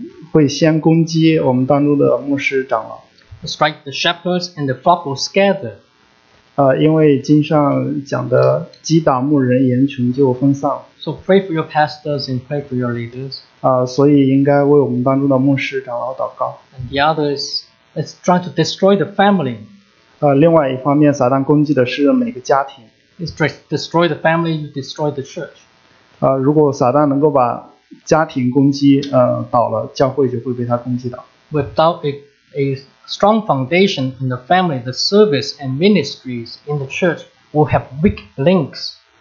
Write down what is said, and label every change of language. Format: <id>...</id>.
<zh>会先攻击我们当中的牧师长老。</zh> <en>Strike the shepherds and the flock will scatter.</en> <zh>因为经上讲的击打牧人，羊群就分散。</zh> <en>So pray for your pastors and pray for your leaders.</en> <zh>所以应该为我们当中的牧师长老祷告。</zh> <en>And the others. It's trying to destroy the family.</en> <zh>另外一方面，撒旦攻击的是每个家庭。</zh> <en>It's trying to destroy the family, you destroy the church.</en> <zh>如果撒旦能够把家庭攻击倒了，教会就会被他攻击倒。</zh> <en>Without a strong foundation in the family, the service and ministries in the church will have weak links.</en>